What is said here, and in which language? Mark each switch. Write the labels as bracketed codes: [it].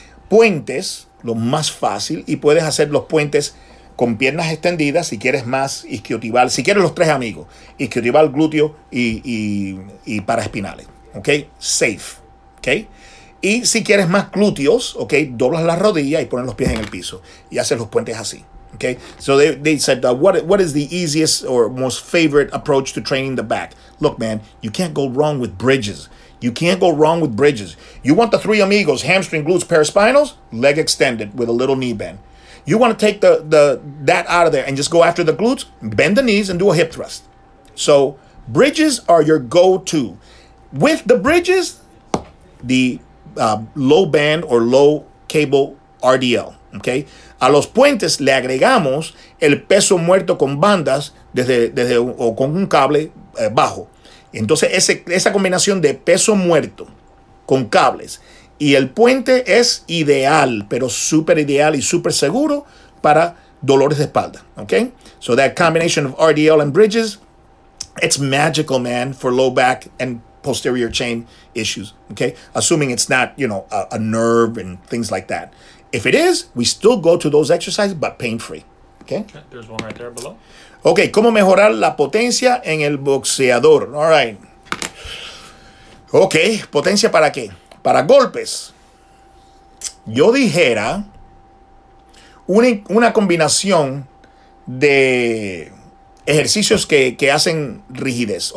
[es] Puentes, lo más fácil, y puedes hacer los puentes con piernas extendidas si quieres más isquiotibial, si quieres los tres amigos, isquiotibial, glúteo y paraespinales, ok, safe, ok, y si quieres más glúteos, ok, doblas las rodillas y pones los pies en el piso y haces los puentes así, ok. [en] So they said that what is the easiest or most favorite approach to training the back? Look, man, you can't go wrong with bridges. You can't go wrong with bridges. You want the three amigos, hamstring, glutes, paraspinals, leg extended with a little knee bend. You want to take that out of there and just go after the glutes, bend the knees and do a hip thrust. So bridges are your go-to. With the bridges, the low band or low cable RDL, okay? [es] A los puentes le agregamos el peso muerto con bandas desde o con un cable bajo. Entonces, esa combinación de peso muerto con cables y el puente es ideal, pero súper ideal y súper seguro para dolores de espalda, ¿ok? [en] So that combination of RDL and bridges, it's magical, man, for low back and posterior chain issues, ¿ok? Assuming it's not, you know, a nerve and things like that. If it is, we still go to those exercises, but pain-free, ¿ok? There's one right there below. [es] Ok, ¿cómo mejorar la potencia en el boxeador? [en] All right. [es] Ok, ¿potencia para qué? Para golpes. Yo dijera una combinación de ejercicios que hacen rigidez.